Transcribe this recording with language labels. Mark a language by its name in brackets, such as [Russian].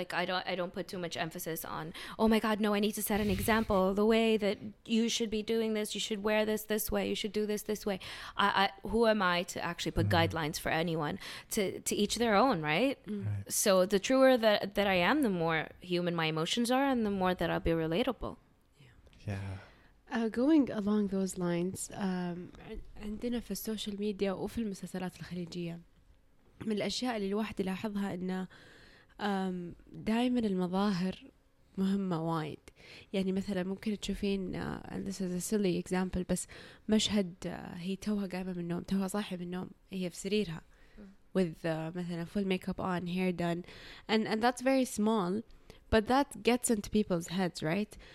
[English] Like I don't put too much emphasis on, oh my God, no, I need to set an example, the way that you should be doing this, you should wear this way, you should do this way. Who am I to actually put guidelines for anyone? To each their own, right? So the truer that I am, the more human my emotions are and the more that I'll be relatable. Yeah. Going along those lines, [Arabic] عندنا في السوشيال ميديا وفي المسلسلات الخليجية من الأشياء اللي الواحد يلاحظها إنه دائماً المظاهر مهمة وايد. يعني مثلاً ممكن تشوفين [English] and this is a silly example, [Arabic] بس مشهد هي توها قايمة من النوم, توها صاحية من النوم, هي في سريرها [English] with مثلاً full makeup on, hair done, and that's very small, but that gets into people's heads, right?